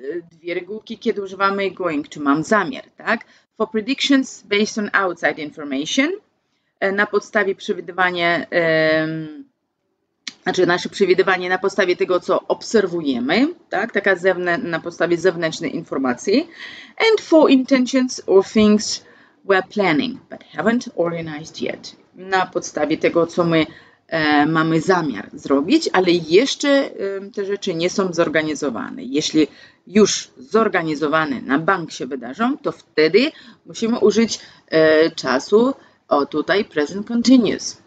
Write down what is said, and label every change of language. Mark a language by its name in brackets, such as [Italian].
[Polish] Dwie regułki, kiedy używamy going to. Mam zamiar. Tak? [English] For predictions based on outside information. [Polish] Na podstawie przewidywania. Znaczy nasze przewidywanie na podstawie tego, co obserwujemy, tak? Taka na podstawie zewnętrznej informacji. [English] And for intentions or things we're planning, but haven't organized yet. [Polish] Na podstawie tego, co my mamy zamiar zrobić, ale jeszcze te rzeczy nie są zorganizowane. Jeśli już zorganizowane na bank się wydarzą, to wtedy musimy użyć czasu, o tutaj, present continuous.